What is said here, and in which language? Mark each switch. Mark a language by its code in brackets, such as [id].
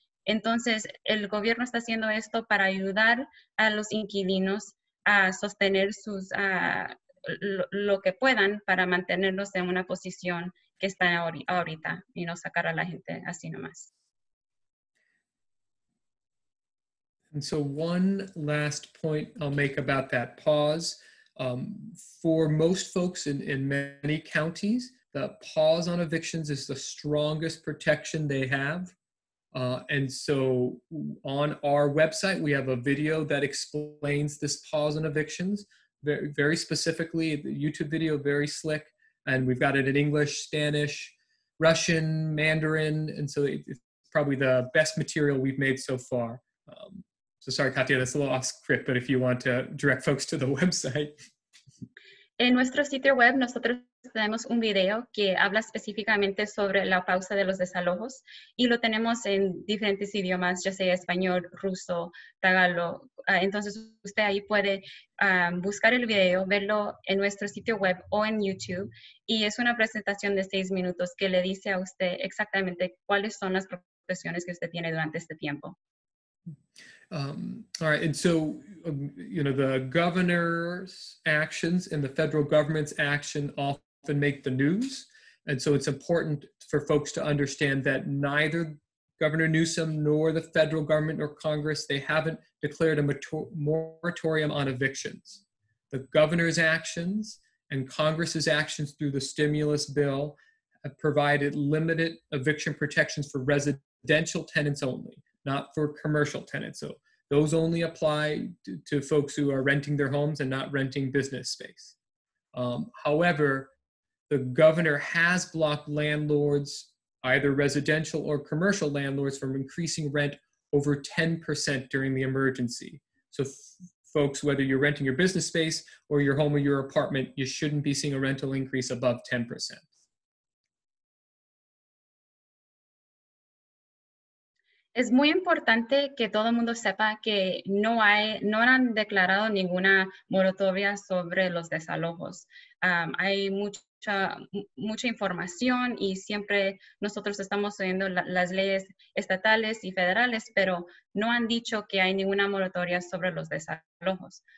[es] Entonces, el gobierno está haciendo esto para ayudar a los inquilinos a sostener sus lo que puedan para mantenerlos en una posición que están ahorita y no sacar a la gente así nomás. [en] And so one last point I'll make about that pause. For most folks in many counties, the pause on evictions is the strongest protection they have. And so on our website, we have a video that explains this pause on evictions. Very, very specifically, the YouTube video, very slick. And we've got it in English, Spanish, Russian, Mandarin. And so it's probably the best material we've made so far. So sorry, Katia, that's a little off script, but if you want to direct folks to the website. [es] En nuestro sitio web, nosotros tenemos un video que habla específicamente sobre la pausa de los desalojos y lo tenemos en diferentes idiomas, ya sea español, ruso, tagalo. Entonces, usted ahí puede buscar el video, verlo en nuestro sitio web o en YouTube y es una presentación de 6 minutos que le dice a usted exactamente cuáles son las profesiones que usted tiene durante este tiempo. [en] All right, and so, you know, the governor's actions and the federal government's action often make the news. And so it's important for folks to understand that neither Governor Newsom nor the federal government nor Congress, they haven't declared a moratorium on evictions. The governor's actions and Congress's actions through the stimulus bill have provided limited eviction protections for residential tenants only, not for commercial tenants. So those only apply to folks who are renting their homes and not renting business space. However, the governor has blocked landlords, either residential or commercial landlords, from increasing rent over 10% during the emergency. So folks, whether you're renting your business space or your home or your apartment, you shouldn't be seeing a rental increase above 10%. [es] Es muy importante que todo el mundo sepa que no han declarado ninguna moratoria sobre los desalojos. Hay mucha información y siempre nosotros estamos oyendo las leyes estatales y federales, pero no han dicho que hay ninguna moratoria sobre los desalojos.